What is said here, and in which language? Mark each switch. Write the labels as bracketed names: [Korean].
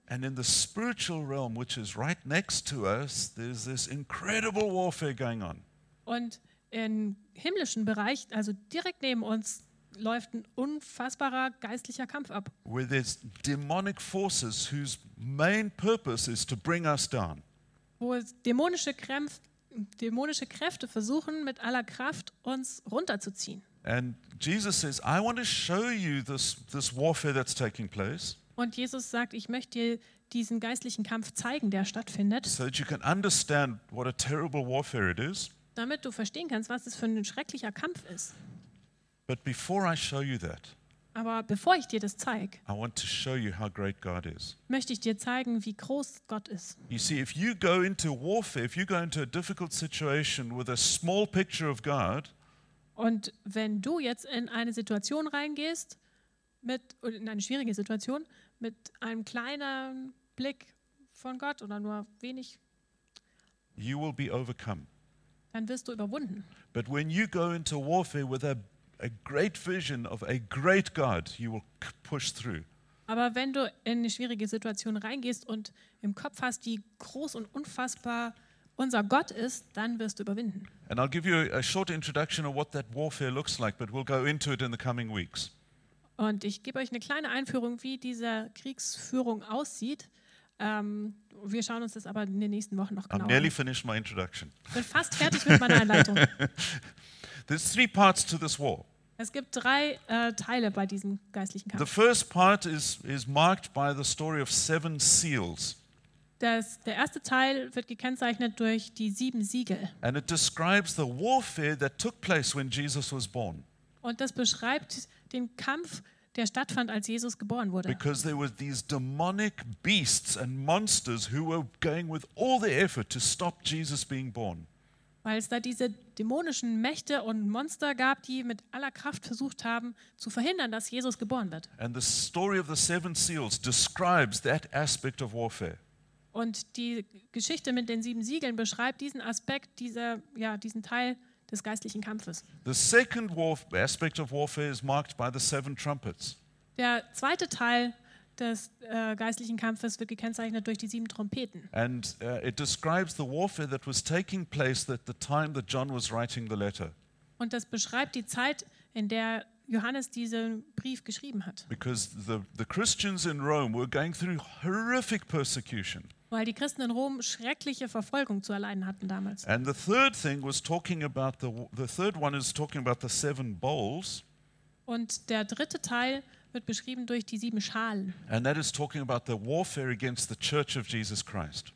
[English] And in the spiritual realm, which is right next to us, there's this incredible warfare going on. [German] Und im himmlischen Bereich, also direkt neben uns, läuft ein unfassbarer geistlicher Kampf ab. [English] Where there's demonic forces whose main purpose is to bring us down. [German] Wo es dämonische Kräfte versuchen, mit aller Kraft uns runterzuziehen. [English] And Jesus says, I want to show you this warfare that's taking place. [German] Und Jesus sagt, ich möchte dir diesen geistlichen Kampf zeigen, der stattfindet. [English] So that you can understand what a terrible warfare it is. [German] Damit du verstehen kannst, was es für ein schrecklicher Kampf ist. [English] But before I show you that, [German] aber bevor ich dir das zeig, [English] I want to show you how great God is. [German] Möchte ich dir zeigen, wie groß Gott ist. [English] You see, if you go into warfare, if you go into a difficult situation with a small picture of God, [German] und wenn du jetzt in eine Situation reingehst, in eine schwierige Situation, mit einem kleinen Blick von Gott oder nur wenig, [English] you will be overcome. [German] Dann wirst du überwunden. [English] But when you go into warfare with a great vision of a great God, you will push through. [German] Aber wenn du in eine schwierige Situation reingehst und im Kopf hast, wie groß und unfassbar unser Gott ist, dann wirst du überwinden. [English] And I'll give you a short introduction of what that warfare looks like, but we'll go into it in the coming weeks. [German] Und ich gebe euch eine kleine Einführung, wie diese Kriegsführung aussieht. Wir schauen uns das aber in den nächsten Wochen noch genauer an. [English] I'm nearly finished my introduction. [German] Bin fast fertig mit meiner Einleitung. [English] There's three parts to this war. [German] Es gibt drei Teile bei diesem geistlichen Kampf. [English] The first part is marked by the story of seven seals. [German] Der erste Teil wird gekennzeichnet durch die sieben Siegel. [English] And it describes the warfare that took place when Jesus was born. [German] Und das beschreibt den Kampf, der stattfand, als Jesus geboren wurde. [English] Because there were these demonic beasts and monsters who were going with all their effort to stop Jesus being born. [German] Weil es da diese dämonischen Mächte und Monster gab, die mit aller Kraft versucht haben, zu verhindern, dass Jesus geboren wird. [English] And the story of the seven seals describes that aspect of warfare. [German] Und die Geschichte mit den sieben Siegeln beschreibt diesen Aspekt, diesen Teil des geistlichen Kampfes. [English] The second aspect of warfare is marked by the seven trumpets. [German] Der zweite Teil des geistlichen Kampfes wird gekennzeichnet durch die sieben Trompeten. [English] And it describes the warfare that was taking place at the time that John was writing the letter. [German] Und das beschreibt die Zeit, in der Johannes diesen Brief geschrieben hat. [English] Because the Christians in Rome were going through horrific persecution. [German] Weil die Christen in Rom schreckliche Verfolgung zu erleiden hatten damals. [English] And the third thing was talking about the third one is talking about the seven bowls. [German] Und der dritte Teil wird beschrieben durch die sieben Schalen. [English] And that is talking about the warfare against the Church of Jesus Christ.